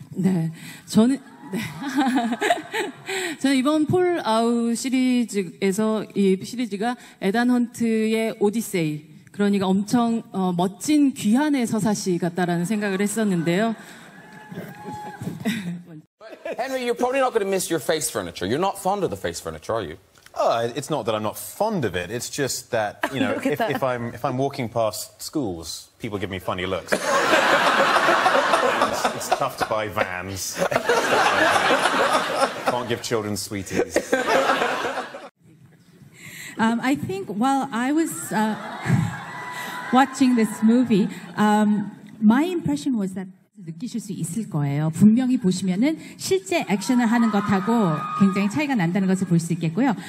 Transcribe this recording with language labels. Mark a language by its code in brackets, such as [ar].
[ko] 네, 저는 네. 저는 이번 폴 아우 시리즈에서 이 시리즈가 에단 헌트의 오디세이. 그러니까 엄청 멋진 귀환의 서사시 같다라는 생각을 했었는데요. [en] Henry, you're probably not going to miss your face furniture. You're not fond of the face furniture, are you? Oh, it's not that I'm not fond of it. It's just that, you know, if I'm walking past schools, people give me funny looks. It's tough to buy vans. Can't give children sweeties. I think while I was watching this movie, my impression was that [ko] 느끼실 수 있을 거예요. 분명히 보시면은 실제 액션을 하는 것하고 굉장히 차이가 난다는 것을 볼 수 있겠고요.